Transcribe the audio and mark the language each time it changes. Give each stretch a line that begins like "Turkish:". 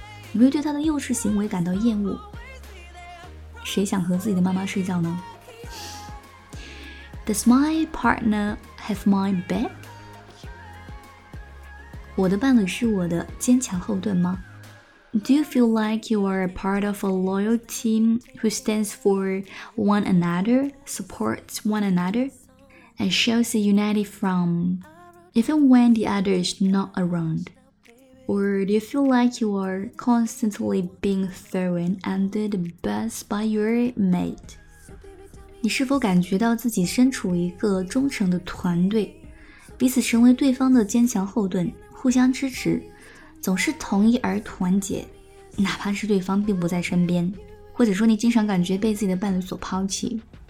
Chinese: 你会对他的幼稚行为感到厌恶，谁想和自己的妈妈睡觉呢？
English: Does my partner have my back?
Chinese: 我的伴侣是我的坚强后盾吗？
English: Do you feel like you are a part of a loyal team who stands for one another, supports one another, and shows a united front, even when the other is not around? Or do you feel like you are constantly being thrown under the bus by your mate?
Chinese: 你是否感觉到自己身处一个忠诚的团队，彼此成为对方的坚强后盾，互相支持，总是同意而团结，哪怕是对方并不在身边，或者说你经常感觉被自己的伴侣所抛弃。